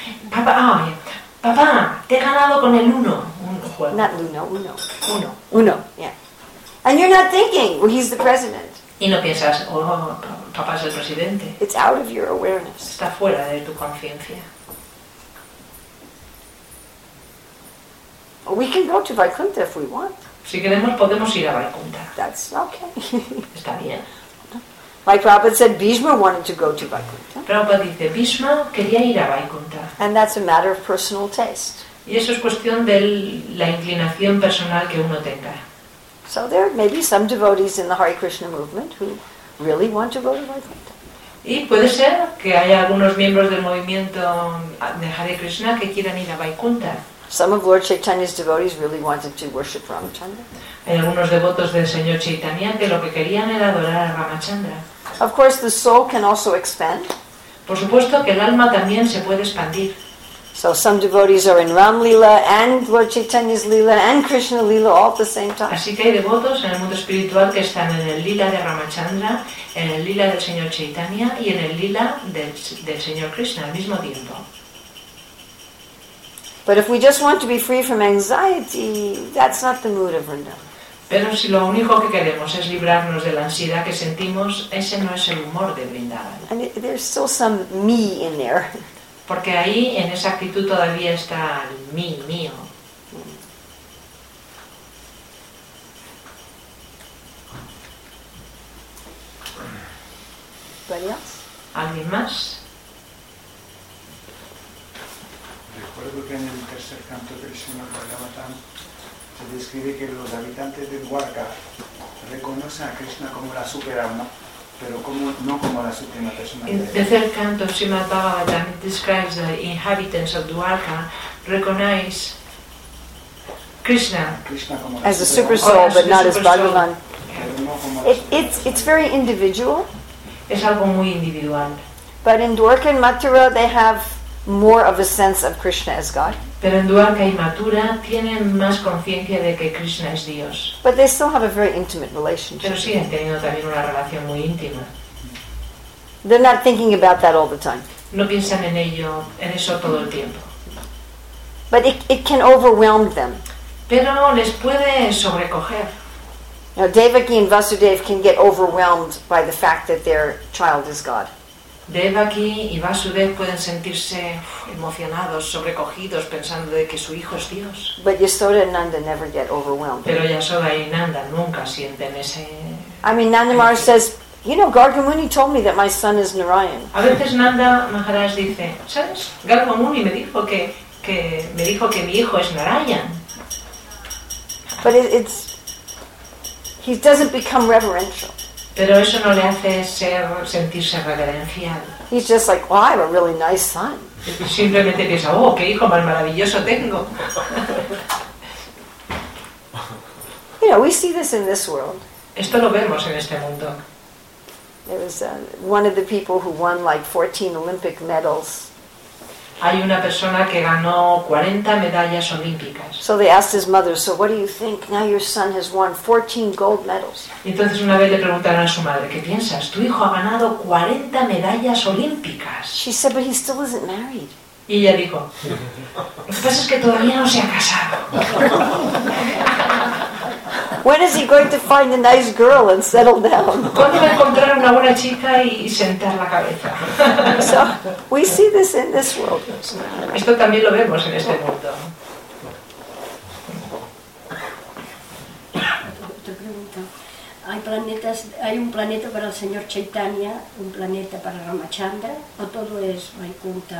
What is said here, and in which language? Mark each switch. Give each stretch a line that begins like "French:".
Spanish: Papá, oh, papá, te he ganado con el Uno.
English: Not Luno, Uno. Uno. Uno, yeah. And you're not thinking, well, he's the president.
Spanish: Y no piensas, oh, papá es el presidente.
English: It's out of your awareness.
Spanish: Está fuera de tu conciencia.
English: We can go to Vaikuntha if we want.
Spanish: Si queremos, podemos ir a Vaikuntha.
English: That's okay.
Spanish: Está bien.
English: Like Prabhupada said, Bhishma wanted to go to Vaikuntha.
Spanish: Prabhupada dice, Bhishma quería ir a Vaikuntha.
English: And that's a matter of personal taste.
Spanish: Y eso es cuestión de la inclinación personal que uno tenga.
English: So there may be some devotees in the Hare Krishna movement who really want to go to Vaikuntha.
Spanish: Y puede ser que haya algunos miembros del movimiento de Hare Krishna que quieran ir a Vaikuntha.
English: Some of Lord Chaitanya's devotees really wanted to worship Ramachandra.
Spanish: Hay algunos devotos del señor Chaitanya que lo que querían era adorar a Ramachandra.
English: Of course, the soul can also expand.
Spanish: Por supuesto que el alma también se puede expandir.
English: So some devotees are in Ramlila and Lord Chaitanya's Lila and Krishna Lila all at the same time.
Spanish: Así que hay devotos en el mundo espiritual que están en el Lila de Ramachandra, en el Lila del señor Chaitanya y en el Lila del señor Krishna al mismo tiempo.
English: But if we just want to be free from anxiety, that's not the mood of Vrindavan.
Spanish: Pero si lo único que queremos es librarnos de la ansiedad que sentimos, ese no es el humor de Vrindavan.
English: And there's still some me in there.
Spanish: Porque ahí, en esa actitud, todavía está el mí, mío. ¿Alguien más? Recuerdo que en el tercer canto del Srimad Bhagavatam se describe que los habitantes de Dwarka reconocen a Krishna como la superalma, pero como, no como la suprema persona.
English: In the third canto of Srimad Bhagavatam describes the inhabitants of Dwarka recognize Krishna
Spanish: como
English: as a super soul, but not as Bhagavan. It's very individual.
Spanish: Es algo muy individual.
English: But in Dwarka and Mathura they have more of a sense of Krishna as God.
Spanish: Pero en Dwarka y Mathura tienen más conciencia de que Krishna es Dios.
English: But they still have a very intimate relationship.
Spanish: Pero siguen teniendo también una relación muy íntima.
English: They're not thinking about that all the time.
Spanish: No piensan en ello, en eso todo el tiempo.
English: But it can overwhelm them.
Spanish: Pero les puede sobrecoger.
English: Now, Devaki and Vasudev can get overwhelmed by the fact that their child is God.
Spanish: Devaki y Vasudev pueden sentirse emocionados, sobrecogidos, pensando de que su hijo es Dios.
English: But Yasoda and Nanda never get overwhelmed.
Spanish: Pero Yasoda y Nanda nunca sienten ese.
English: I mean, Nanda Maharaj says, you know, Garga Muni told me that my son is Narayan.
Spanish: A veces Nanda Maharaj dice, ¿sabes? Garga Muni me dijo que mi hijo es Narayan.
English: But it's he doesn't become reverential.
Spanish: Pero eso no le hace sentirse reverencial.
English: He's just like, wow, I have a really nice son.
Spanish: Simplemente piensa, oh, qué hijo más maravilloso tengo.
English: You know, we see this in this world.
Spanish: Esto lo vemos en este mundo.
English: There was one of the people who won like 14 Olympic medals.
Spanish: Hay una persona que ganó 40 medallas olímpicas.
English: So they asked his mother, so what do you think? Now your son has won 14 gold medals.
Spanish: Entonces una vez le preguntaron a su madre, ¿qué piensas? Tu hijo ha ganado 40 medallas olímpicas.
English: She said, but he still isn't married.
Spanish: Y ella dijo, lo que pasa es que todavía no se ha casado.
English: When is he going to find a nice girl and settle down?
Spanish: ¿Cuándo va a encontrar una buena chica y sentar la cabeza?
English: So, we see this in this world.
Spanish: Esto también lo vemos en este mundo. Otra pregunta. ¿Hay un planeta para el señor Chaitanya, un planeta para Ramachandra, o todo es Vaikuntha?